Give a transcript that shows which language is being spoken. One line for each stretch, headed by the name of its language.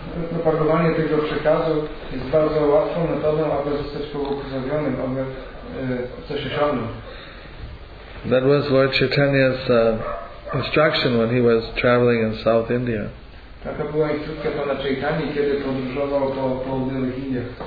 Polish: Propagowanie tego przekazu jest bardzo łatwą metodą, aby zostać pobłogosławionym, aby coś osiągnąć.
English: That was Lord Chaitanya's instruction when he was traveling in South India.
Polish: Taka była instrukcja pana Chaitanya, kiedy podróżował po południowych Indiach.